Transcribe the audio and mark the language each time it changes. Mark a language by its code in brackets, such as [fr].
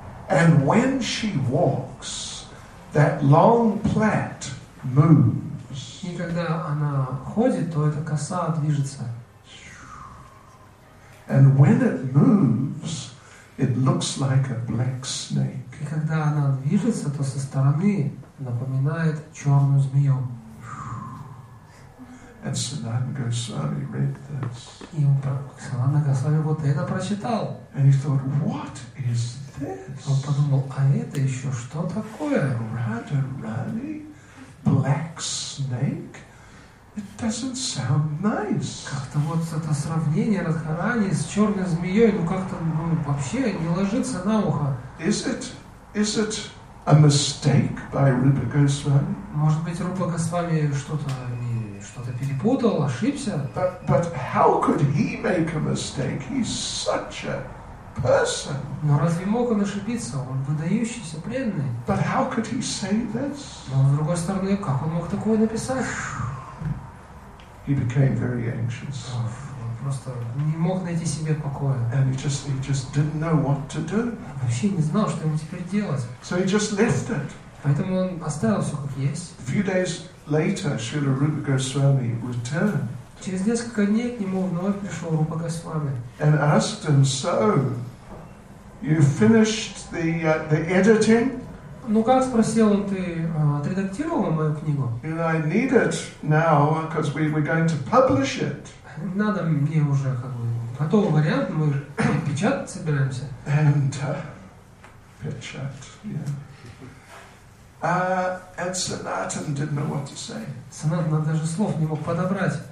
[en] And when she walks, that long plait moves. [ru] И когда она ходит, то эта коса движется. [en] And when it moves, it looks like a black snake. [ru] И когда она движется, то со стороны напоминает черную змею. [en] And Sanatana Goswami read this. [ru] И Санатана Госвами вот это прочитал. [en] And he thought, what is this? [ru] Он подумал, а это еще что такое? [en] Radharani, black snake. It doesn't sound nice. [ru] Как-то вот это сравнение Радхарани с черной змеей, ну как-то вообще не ложится на ухо. [en] Is it a mistake by Rupa Goswami? [ru] Может быть, Рупа Госвами что-то перепутал, ошибся? [en] But how could he make a mistake? He's such a person. [ru] Но разве мог он ошибиться? Он выдающийся преданный. [en] But how could he say this? [ru] Но с другой стороны, как он мог такое написать? [en] He became very anxious. [ru] Он просто не мог найти себе покоя. [en] And he just didn't know what to do. [ru] Вообще не знал, что ему теперь делать. [en] So he just left it. [ru] Поэтому он оставил все как есть. [en] A few days later, Srila Rupa Goswami returned. [ru] Через несколько дней к нему вновь пришел Рупа Госвами. [en] And asked him, so you finished the editing? [ru] Ну как, спросил он, ты отредактировал мою книгу? [en] And I need it now, because we're going to publish it. [ru] Надо мне уже как бы готовый вариант, мы печатать собираемся. [en] And [ru] печать, [en] yeah. And Sanatan didn't know what to say. [ru] Sanatan даже слов не мог подобрать.